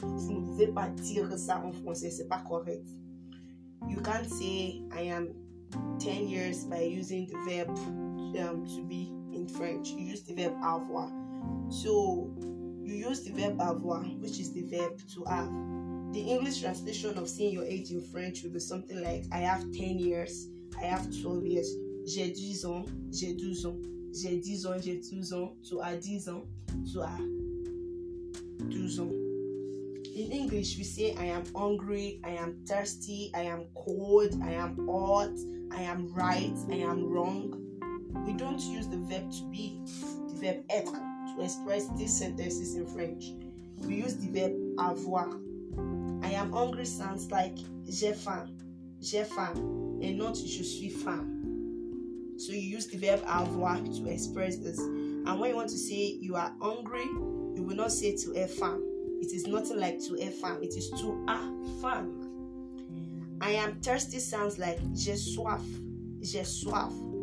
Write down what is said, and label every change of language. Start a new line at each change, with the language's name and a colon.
French: Vous ne pouvez pas dire ça en français, c'est pas correct.
English: You can't say I am 10 years by using the verb to be in French. You use the verb avoir. So you use the verb avoir, which is the verb to have. The English translation of saying your age in French would be something like I have 10 years, I have 12 years.
French: J'ai 10 ans, j'ai 12 ans. J'ai 10 ans, j'ai 12 ans. Tu as 10 ans, tu as 12 ans.
English: In English, we say I am hungry, I am thirsty, I am cold, I am hot, I am right, I am wrong. We don't use the verb to be, the verb être, to express these sentences in French. We use the verb avoir. I am hungry sounds like
French: j'ai faim, j'ai faim.
English: And not
French: je suis faim.
English: So you use the verb avoir to express this. And when you want to say you are hungry, you will not say
French: tu es faim.
English: It is nothing like
French: tu es faim.
English: It is
French: tu as faim.
English: I am thirsty sounds like
French: j'ai soif. J'ai soif.